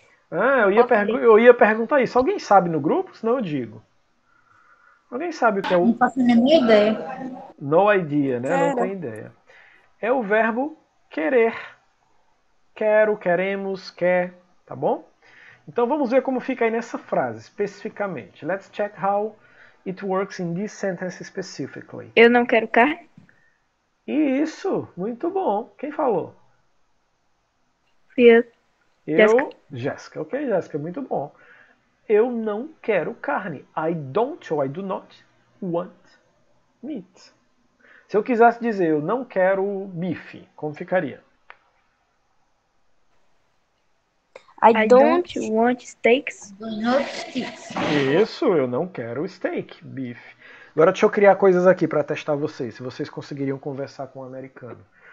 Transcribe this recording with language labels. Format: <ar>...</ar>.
<pt>Ah, eu ia perguntar isso. Alguém sabe no grupo? Senão eu digo. Alguém sabe o que é o... Não faço a minha ideia.</pt> <en>No idea,</en> <pt>né? Quero. Não tem ideia. É o verbo querer. Quero, queremos, quer. Tá bom? Então vamos ver como fica aí nessa frase, especificamente.</pt> <en>Let's check how it works in this sentence specifically.</en> <pt>Eu não quero carne. Isso, muito bom. Quem falou? Eu. Jéssica. Ok, Jéssica, muito bom. Eu não quero carne.</pt> <en>I don't or I do not want meat.</en> <pt>Se eu quisesse dizer eu não quero bife, como ficaria?</pt> <en>I don't want steaks.</en> <pt>Isso, eu não quero steak, bife. Agora deixa eu criar coisas aqui para testar vocês, se vocês conseguiriam conversar com um americano.</pt>